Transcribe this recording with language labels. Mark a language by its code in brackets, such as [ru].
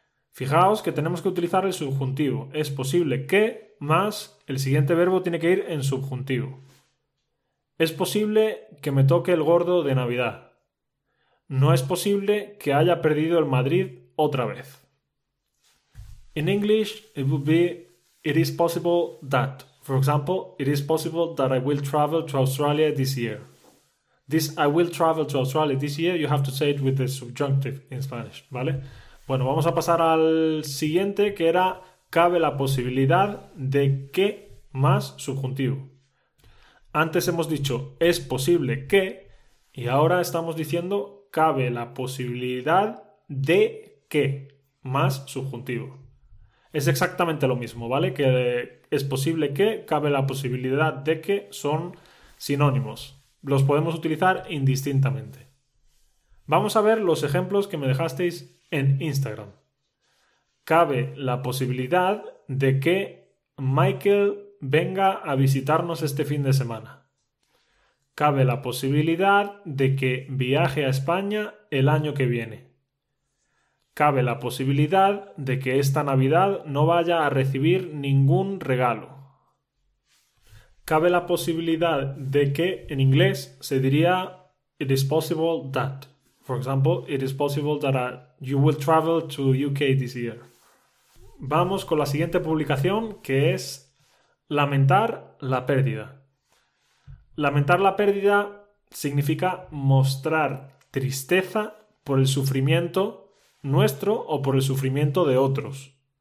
[es] Fijaos que tenemos que utilizar el subjuntivo. Es posible que más el siguiente verbo tiene que ir en subjuntivo. Es posible que me toque el gordo de Navidad. No es posible que haya perdido el Madrid otra vez. [en] In English, it would be it is possible that. For example, it is possible that I will travel to Australia this year. This I will travel to Australia this year, you have to say it with the subjunctive in Spanish, ¿vale? [es] Bueno, vamos a pasar al siguiente, que era cabe la posibilidad de que más subjuntivo. Antes hemos dicho es posible que y ahora estamos diciendo cabe la posibilidad de que más subjuntivo. Es exactamente lo mismo, ¿vale? Que es posible que, cabe la posibilidad de que son sinónimos. Los podemos utilizar indistintamente. Vamos a ver los ejemplos que me dejasteis en Instagram. Cabe la posibilidad de que Michael venga a visitarnos este fin de semana. Cabe la posibilidad de que viaje a España el año que viene. Cabe la posibilidad de que esta Navidad no vaya a recibir ningún regalo. Cabe la posibilidad de que en inglés se diría [en] It is possible that. For example, it is possible that you will travel to UK this year. [es] Vamos con la siguiente publicación que es lamentar la pérdida. Lamentar la pérdida significa mostrar tristeza por el sufrimiento nuestro o por el sufrimiento de otros.